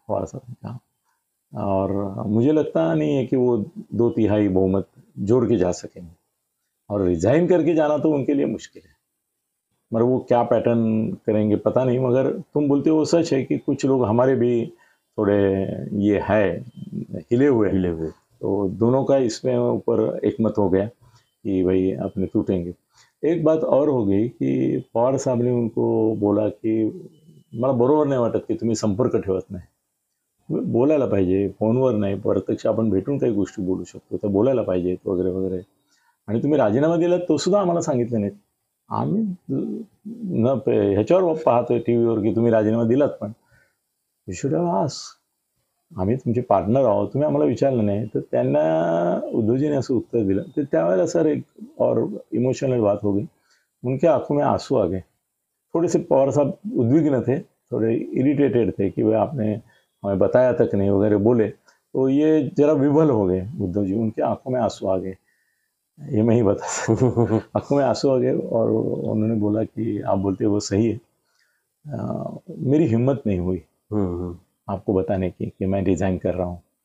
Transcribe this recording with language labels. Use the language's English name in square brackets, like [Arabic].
[Hindi] पवार साहब ने कहा, और मुझे लगता नहीं है कि वो दो तिहाई बहुमत जोड़ के जा सकेंगे, और रिजाइन करके जाना तो उनके लिए मुश्किल है, मगर वो क्या पैटर्न करेंगे पता नहीं। मगर तुम बोलते हो सच है कि कुछ लोग हमारे भी थोड़े ये है हिले हुए। तो दोनों का इसमें ऊपर एकमत हो गया कि भाई अपने टूटेंगे। [Marathi] एक बात और हो गई कि [Hindi] पवार साहब ने उनको बोला कि [Marathi] मला बरोबर नाही वाटत की तुम्ही संपर्क ठेवत नाही, बोलायला पाहिजे, फोनवर नाही प्रत्यक्ष आपण भेटून काही गोष्टी बोलू शकतो तर बोलायला पाहिजेत वगैरे वगैरे, आणि तुम्ही राजीनामा दिला तो सुद्धा आम्हाला सांगितलं नाही, आम्ही न ह्याच्यावर पाहतोय टीव्हीवर की तुम्ही राजीनामा दिलात, पण [English] you should have ask, [Marathi] आम्ही तुमचे पार्टनर आहोत, तुम्ही आम्हाला विचारलं नाही। तर त्यांना उद्धवजीने असं उत्तर दिलं, तर त्यावेळेला सर [Hindi] एक और इमोशनल बात हो गई, उनके आंखों में आंसू आ गए, थोडेसे पवार साहब उद्विग्न थे, थोडे इरिटेटेड थे की भाई आपने हमें बताया तक नहीं वगैरे बोले, तो ये जरा विभल हो गए उद्धव जी, उनके आंखों में आंसू आ गए, ये मैं ही बता सकता हूँ, आंखों में आंसू आ गए, और उन्होंने बोला कि आप बोलते हो वो सही है, मेरी हिम्मत नहीं हुई आपको बताने कि मैं रिजाइन कर रहा हूँ।